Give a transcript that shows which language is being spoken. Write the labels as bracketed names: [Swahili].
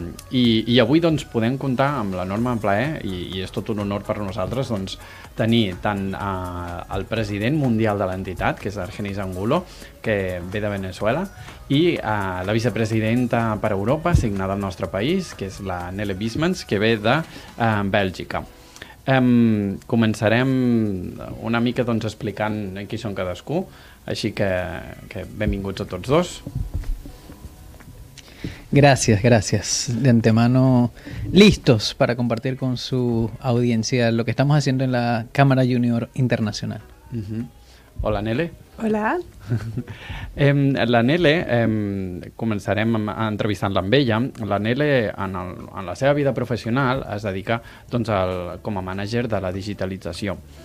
[Catalan] I avui, doncs, podem comptar amb l'enorme plaer, i és tot un honor per nosaltres, doncs, tenir tant el president mundial de l'entitat, que és Argenis Angulo, que ve de Venezuela, i la vicepresidenta per Europa, signada al nostre país, que és la Nele Biesmans, que ve de Bèlgica. Començarem una mica explicant qui són cadascú, així que benvinguts a tots dos. [Spanish] Gracias, gracias. De antemano, listos para compartir con su audiencia lo que estamos haciendo en la Cámara Junior Internacional. [Catalan] Uh-huh. Hola, Nele. Hola. La Nele, començarem entrevistant-la amb ella. La Nele, en la seva vida professional, es dedica com a mànager de la digitalització.